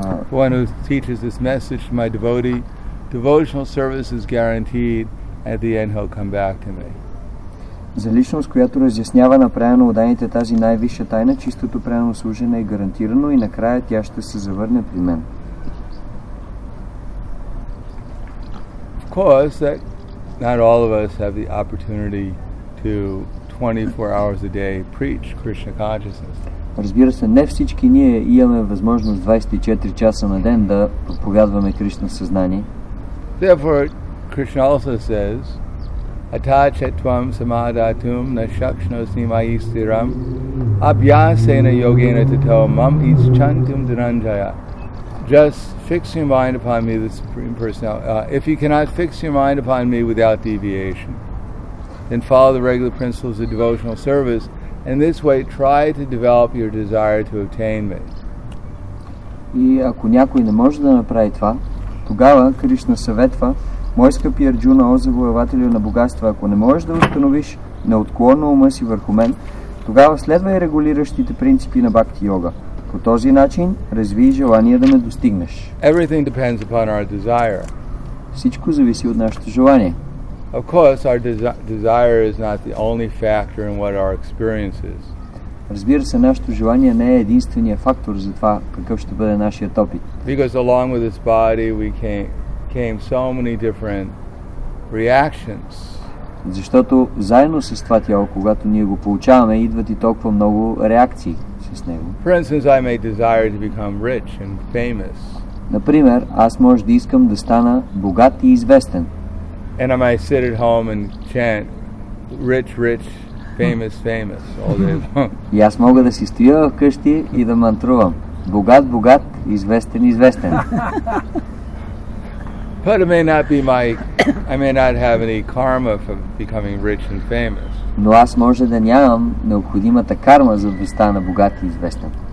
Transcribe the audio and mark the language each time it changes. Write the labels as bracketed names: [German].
[English] One who teaches this message to my devotee, devotional service is guaranteed. At the end, he'll come back to me. [Bulgarian] За личност, която разяснява направено уданите тази най-висша тайна, чистото правилно служене е гарантирано и накрая тя ще се завърне при мен. [English] Of course, that not all of us have the opportunity to 24 hours a day preach Krishna consciousness. [Bulgarian] Разбира се, не всички ние имаме възможност 24 часа на ден да проповядваме Кришна съзнание. [English] Therefore, Krishna also says, [Sanskrit] Atachatvam samadhatum nashakshnosni maistiram abhyasena yogena tato mam ischantum dhananjaya. [English] Just fix your mind upon me, the Supreme Personality. If you cannot fix your mind upon me without deviation, then follow the regular principles of devotional service, and this way try to develop your desire to obtain me. [Bulgarian] И ако някой не може да направи това, тогава Кришна съветва, мой скъпи Арджуна, о завоевателю на богатства, ако не можеш да установиш неотклонно ума си върху мен, тогава следвай регулиращите принципи на Бхакти йога. По този начин развий желание да ме достигнеш. [English] Everything depends upon our desire. [Bulgarian] Всичко зависи от нашето желание. [English] Of course, our desire is not the only factor in what our experience is. [Bulgarian] Разбира се, нашето желание не е единственият фактор за това какъв ще бъде нашият опит. [English] Because along with this body we came so many different reactions. [Bulgarian] Защото заедно с това тяло, когато ние го получаваме, идват и толкова много реакции. [English] For instance, I may desire to become rich and famous. [Bulgarian] Например, аз може да искам да стана богат и известен. [English] And I might sit at home and chant rich, rich, famous, famous all day long. [Bulgarian] И аз мога да си стоя вкъщи и да мантрувам. Богат, богат, Известен. [English] But it may not be my, I may not have any karma for becoming rich and famous. [Bulgarian] Но аз може да нямам необходимата карма за да стана богат и известен.